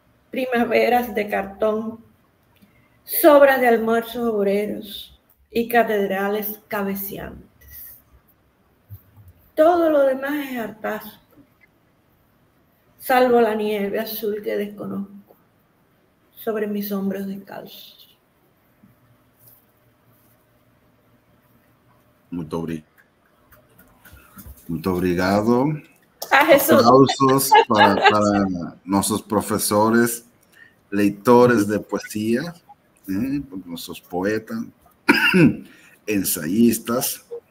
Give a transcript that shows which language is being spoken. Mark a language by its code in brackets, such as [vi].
[es] Primaveras de cartón, sobras de almuerzos obreros y catedrales cabeceantes. Todo lo demás es hartazgo, salvo la nieve azul que desconozco sobre mis hombros descalzos. [pt] Muito obrigado. Muito obrigado, [es] Aplausos para nuestros profesores, lectores de poesía, nuestros poetas, ensayistas.